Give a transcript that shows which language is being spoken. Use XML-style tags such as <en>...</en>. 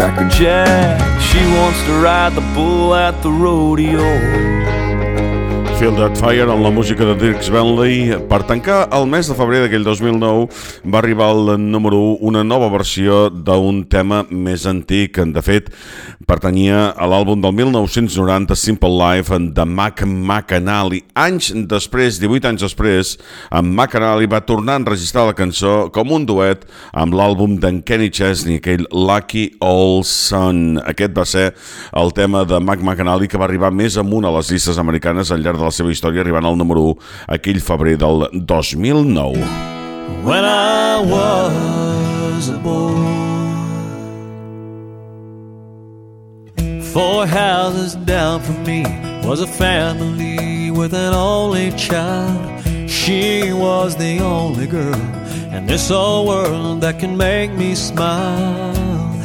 <en>She wants to ride the bull at the rodeo.</en> <ca>Feel That Fire en la música de Dierks Bentley. Per tancar el mes de febrer d'aquell 2009, va arribar al número 1 una nova versió d'un tema més antic. De fet, pertanyia a l'àlbum del 1990, Simple Life, de Mac McAnally. Anys després, 18 anys després, en McAnally va tornar a enregistrar la cançó com un duet amb l'àlbum d'en Kenny Chesney, aquell Lucky Old Son. Aquest va ser el tema de Mac McAnally que va arribar més amunt a les llistes americanes al llarg de la seva història, arribant al número 1 aquell febrer del 2009.</ca> <en>When I was a boy, four houses down from me was a family with an only child. She was the only girl in this old world that can make me smile.</en>